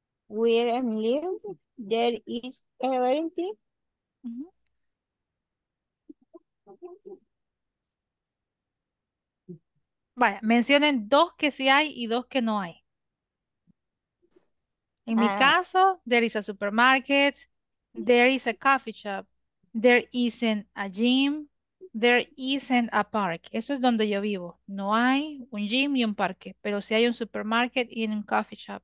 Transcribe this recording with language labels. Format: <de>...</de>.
<en>Where I'm living, there is everything. Mm-hmm.</en> <es>Vaya, mencionen dos que sí hay y dos que no hay. En mi caso,</es> <en>there is a supermarket, there is a coffee shop, there isn't a gym, there isn't a park.</en> <es>Eso es donde yo vivo. No hay un gym ni un parque, pero sí hay un supermarket y un coffee shop.</es>